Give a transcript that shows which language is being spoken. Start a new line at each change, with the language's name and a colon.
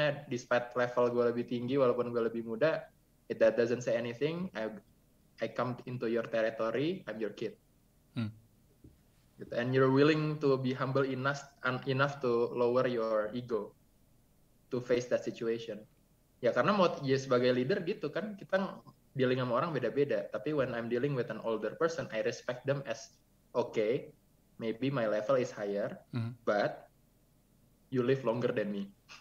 English: Despite
Indonesian: level gue lebih tinggi, walaupun gue lebih muda,
English: if that doesn't say anything, I come into your territory, I'm your kid. And you're willing to be humble enough to lower your ego to face that situation.
Indonesian: Ya karena mau ya sebagai leader gitu kan, kita dealing sama orang beda-beda. Tapi
English: when I'm dealing with an older person, I respect them as, okay, maybe my level is higher, but you live longer than me.